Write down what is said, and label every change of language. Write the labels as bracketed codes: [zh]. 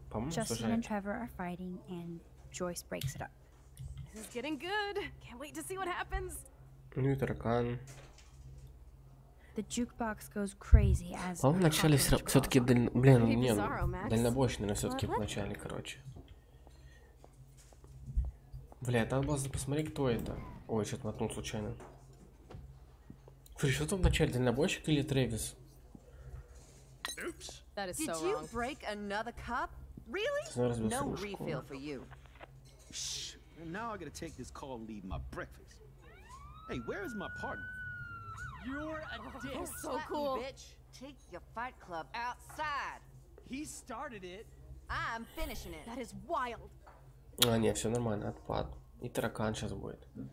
[en] Justin and Trevor are fighting, and Joyce breaks it up. This is getting good. Can't wait to see what happens. New таракан. The jukebox goes crazy as. [ru] А в начале все-таки блин, не дальнобойщик, но все-таки в начале, короче. Бля, там было посмотреть, кто это. Ой, что-то мотнул случайно. Фри, что-то в начале дальнобойщик или Трэвис? [en] That is so wrong. Did you break another cup? Really? No refill for you. Shh. Now I gotta take this call and leave my breakfast. Hey, where is my partner? You're a dick. Oh, so cool. Bitch. Take your fight club outside. He started it. I'm finishing it. That is wild. [ru] А, нет, все нормально, отпад. И таракан сейчас будет.